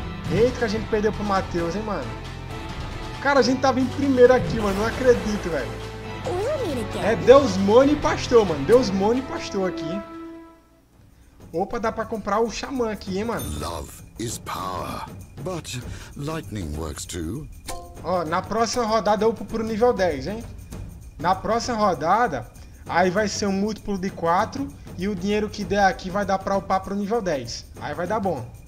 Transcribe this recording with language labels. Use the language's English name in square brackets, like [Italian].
[Portuguese] Eita, que a gente perdeu pro Matheus, hein, mano. Cara, a gente tava em primeiro aqui, mano. Não acredito, velho. É Deus, Mono e Pastor, mano. Deus, Mono e Pastor aqui. Opa, dá pra comprar o Xamã aqui, hein, mano. [English] Love is power, but lightning works too. [Portuguese] Ó, na próxima rodada eu upo pro nível 10, hein. Na próxima rodada, aí vai ser um múltiplo de 4 e o dinheiro que der aqui vai dar pra upar pro nível 10. Aí vai dar bom.